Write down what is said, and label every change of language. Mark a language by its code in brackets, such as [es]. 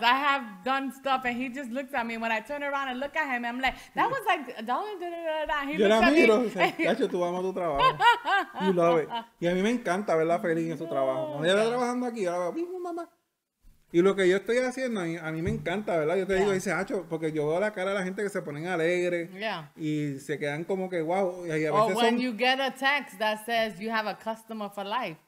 [en] I have done stuff and he just looks at me when I turn around and look at him. I'm like, that was like, he looks at me. [es] Cacho, tú amas tu trabajo. [en] You love it. [es] Y a mí me encanta verla feliz en su trabajo. Cuando ella está trabajando aquí, yo la veo, mismo mamá. Y lo que yo estoy haciendo, a mí me encanta, ¿verdad? Yo te digo, dice, Acho, porque yo veo la cara de la gente que se ponen alegres. [en] Yeah. [es] Y se quedan como que, wow. Y a [en] veces when you get a text that says you have a customer for life.